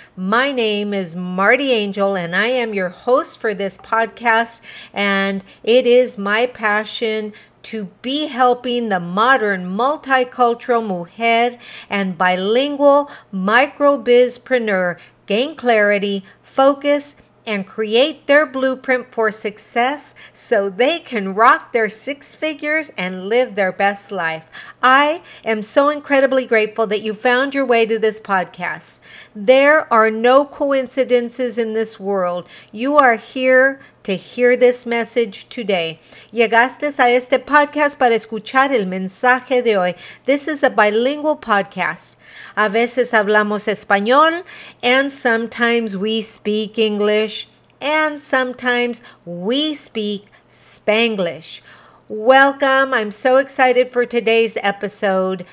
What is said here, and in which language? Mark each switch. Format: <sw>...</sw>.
<en>My name is Marty Angel, and I am your host for this podcast, and it is my passion to be helping the modern multicultural mujer and bilingual microbizpreneur gain clarity, focus, and create their blueprint for success so they can rock their six figures and live their best life. I am so incredibly grateful that you found your way to this podcast. There are no coincidences in this world. You are here to hear this message today.</en> <es>Llegaste a este podcast para escuchar el mensaje de hoy.</es> <en>This is a bilingual podcast.</en> <es>A veces hablamos español,</es> <en>and sometimes we speak English, and sometimes we speak Spanglish. Welcome. I'm so excited for today's episode.</en>